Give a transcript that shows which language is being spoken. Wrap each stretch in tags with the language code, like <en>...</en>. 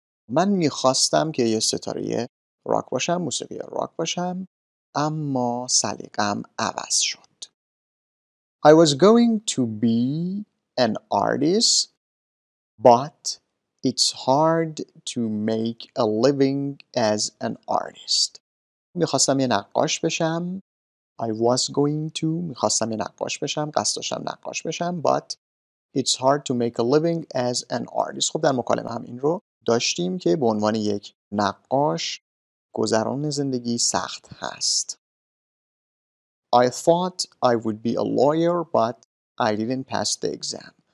<fa>من میخواستم که یه ستاره راک باشم، موسیقی راک باشم، اما سلیقم عوض شد.</fa> <en>I was going to be an artist, but it's hard to make a living as an artist.</en> <fa>میخواستم یه نقاش بشم.</fa> <en>I was going to.</en> <fa>میخواستم یه نقاش بشم. قصد داشتم نقاش بشم.</fa> <en>But it's hard to make a living as an artist.</en> <fa>خب در مکالمه هم این رو داشتیم که به عنوان یک نقاش گذران زندگی سخت هست.</fa> <en>I thought I would be a lawyer, but I didn't pass the exam.</en>